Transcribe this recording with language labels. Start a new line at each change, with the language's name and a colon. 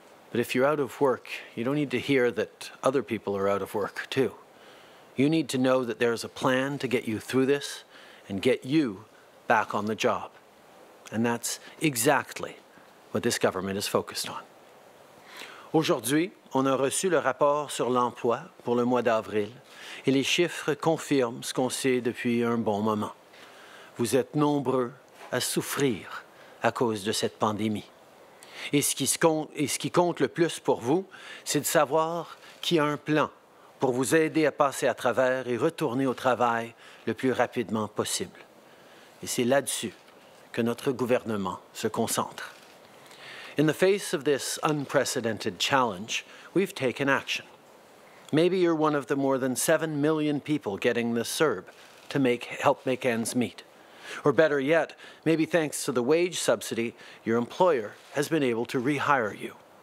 English: But if you're out of work, you don't need to hear that other people are out of work, too. You need to know that there's a plan to get you through this and get you back on the job. And that's exactly what this government is focused on.
French: Aujourd'hui, on a reçu le rapport sur l'emploi pour le mois d'avril, et les chiffres confirment ce qu'on sait depuis un bon moment. Vous êtes nombreux à souffrir à cause de cette pandémie. Et ce qui compte le plus pour vous, c'est de savoir qui a un plan pour vous aider à passer à travers et retourner au travail le plus rapidement possible. Et c'est là-dessus que notre gouvernement se concentre.
English: In the face of this unprecedented challenge, we've taken action. Maybe you're one of the more than 7 million people getting the CERB to help make ends meet. Or better yet, maybe thanks to the wage subsidy, your employer has been able to rehire you.